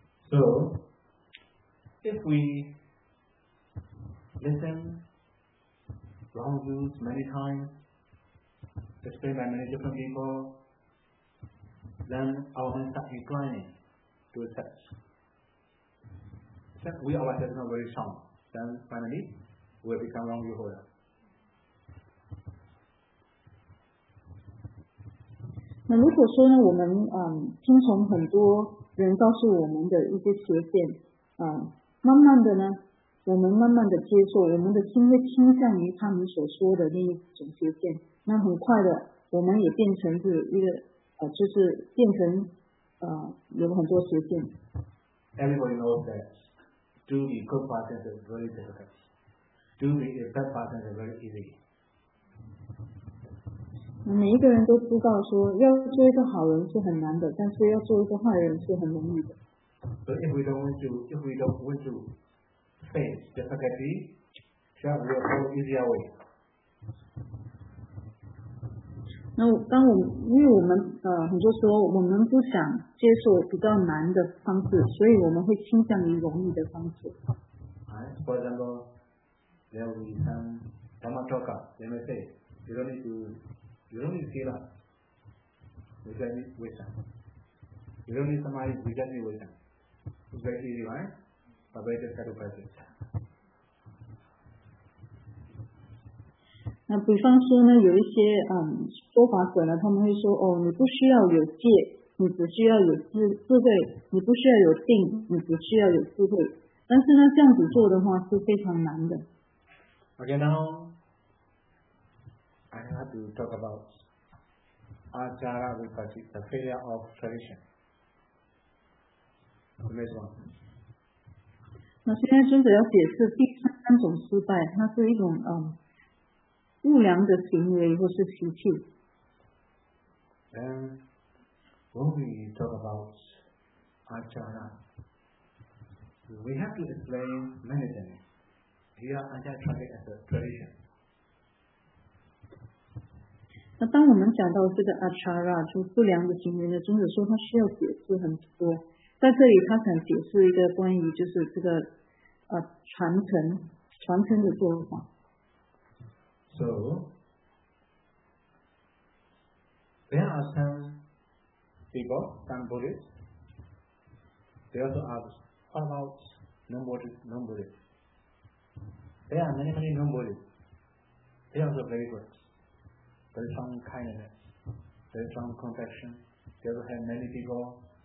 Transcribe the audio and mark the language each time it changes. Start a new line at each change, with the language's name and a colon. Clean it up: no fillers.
English: So, if we listen wrong views many times, explained by many different people, then our mind starts inclining to accept. Except we are like not very strong, then finally we will become wrong view holder.
Chinese: 那如果说呢，我们听从很多人告诉我们的一些邪见，慢慢的呢，我们慢慢的接受，我们的心会倾向于他们所说的那一种邪见，那很快的，我们也变成是一个就是变成有很多邪见。
English: Everybody knows that to be good person is very difficult, to be a bad person is very easy.
Chinese: 每一个人都知道说要做一个好人是很难的，但是要做一个坏人是很容易的。
English: So if we don't want to, if we don't want to face difficulty, shall we go easier way?
Chinese: 那当我们，因为我们很多时候我们不想接受比较难的方式，所以我们会倾向于容易的方式。
English: Right, for example, there will be some Dhamma talk, they may say, you don't need to. You don't need sila, you just need wisdom. You don't need samadhi, you just need wisdom. It's very easy, right? But very difficult to practice.
Chinese: 那比方说呢，有一些说法者呢，他们会说，哦，你不需要有戒，你只需要有智慧，你不需要有定，你只需要有智慧。但是呢，这样子做的话是非常难的。
English: Okay, now. I have to talk about Achara Vipati, the failure of tradition. The next one.
Chinese: 那现在孙子要解释第三种失败，它是一种不良的行为或是习气。
English: Then, when we talk about Achara, we have to explain many things. Here, Achara Vipati as a tradition.
Chinese: 那当我们讲到这个 achara 就不良的行为呢，尊者说他需要解释很多，在这里他想解释一个关于就是这个传承的做法。
English: So there are some people, some Buddhists, they also ask, what about non-Buddhists? There are many, many non-Buddhists. They are also very good. There is some kindness, there is some compassion, they also have many people.